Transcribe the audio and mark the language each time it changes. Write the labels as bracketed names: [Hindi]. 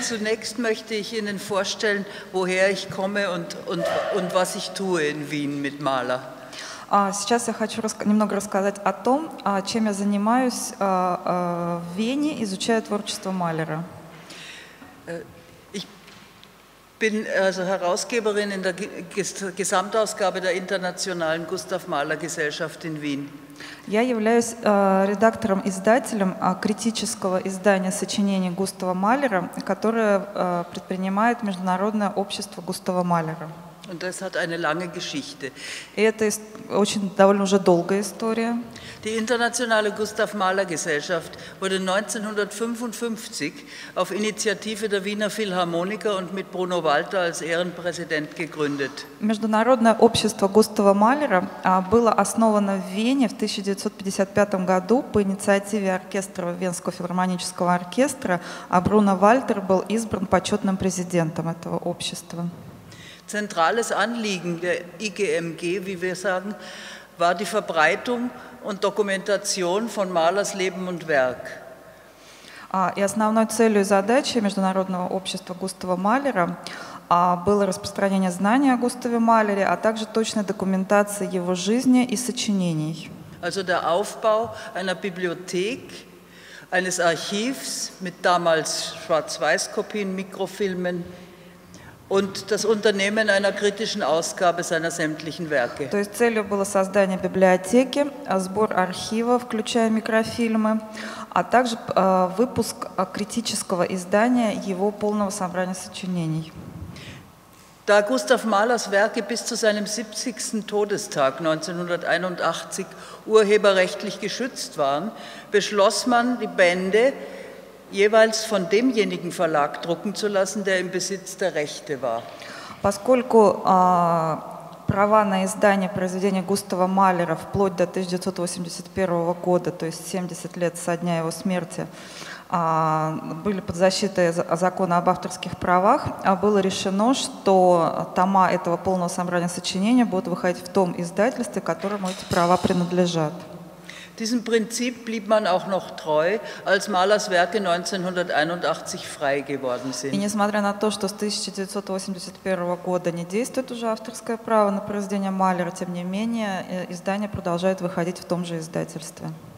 [German] Zunächst möchte ich Ihnen vorstellen, woher ich komme und was ich tue in Wien mit Maler. [Russian] Сейчас я хочу немного рассказать о том, чем я занимаюсь в Вене, изучая творчество Малера. [German] Ich bin also Herausgeberin in der Gesamtausgabe der Internationalen Gustav Mahler Gesellschaft in Wien. [Russian] Я являюсь редактором-издателем критического издания сочинений Густава Малера, которое предпринимает Международное общество Густава Малера. [German] Und das hat eine lange Geschichte. [Russian] И это очень довольно уже долгая история. [German] Die internationale Gustav Mahler Gesellschaft wurde 1955 auf Initiative der Wiener Philharmoniker und mit Bruno Walter als Ehrenpräsident gegründet. [Russian] Международное общество Густава Малера было основано в Вене в 1955 году по инициативе оркестра Венского филармонического оркестра, а Бруно Вальтер был избран почетным президентом этого общества. [German] Zentrales Anliegen der IGMG, wie wir sagen, war die Verbreitung und Dokumentation von Mahlers Leben und Werk. [Russian] И основной целью и задачей Международного общества Густава Малера было распространение знаний о Густаве Малере, а также точная документация его жизни и сочинений. [German] Also der Aufbau einer Bibliothek, eines Archivs mit damals Schwarz-Weiß-Kopien, Mikrofilmen, und das Unternehmen einer kritischen Ausgabe seiner sämtlichen Werke. [Russian] То есть целью было создание библиотеки, сбор архива, включая микрофильмы, а также выпуск критического издания его полного собрания сочинений. [German] Da Gustav Mahlers Werke bis zu seinem 70. Todestag 1981 urheberrechtlich geschützt waren, beschloss man die Bände jeweils von demjenigen Verlag drucken zu lassen, der im Besitz der Rechte war. [Russian] Поскольку права на издание произведения Густава Малера вплоть до 1981 года, то есть 70 лет со дня его смерти, были под защитой закона об авторских правах, было решено, что тома этого полного собрания сочинений будут выходить в том издательстве, которому эти права принадлежат. [German] Diesem Prinzip blieb man auch noch treu, als Mahlers Werke 1981 frei geworden sind. [Russian] И несмотря на то, что с 1981 года не действует уже авторское право на произведение Малера, тем не менее издание продолжает выходить в том же издательстве.